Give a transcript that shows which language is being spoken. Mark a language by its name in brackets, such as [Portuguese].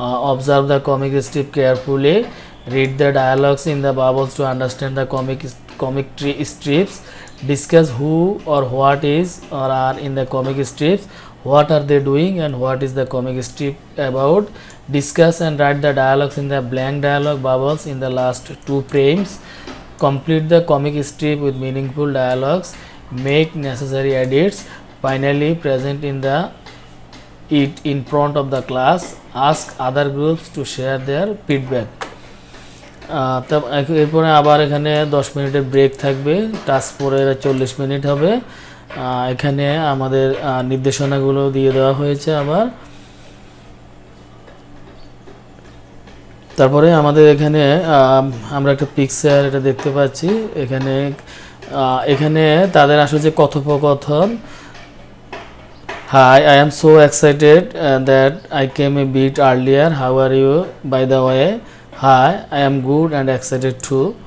[English] Observe the comic strip carefully read the dialogues in the bubbles to understand the comic tree strips discuss who or what is or are in the comic strips what are they doing and what is the comic strip about Discuss and write the dialogues in the blank dialogue bubbles in the last two frames. Complete the comic strip with meaningful dialogues. Make necessary edits. Finally, present it in front of the class. Ask other groups to share their feedback. [Bangla] তা এরপরে আবার এখানে 10 মিনিটের break থাকবে task পরের 40 minute হবে এখানে আমাদের নির্দেশনাগুলো দিয়ে দেওয়া হয়েছে আবার তারপরে আমাদের এখানে আমরা একটা পিকচার এটা দেখতে পাচ্ছি এখানে এখানে তাদের আসলে যে কথোপকথন [English] hi I am so excited that I came a bit earlier how are you by the way hi I am good and excited to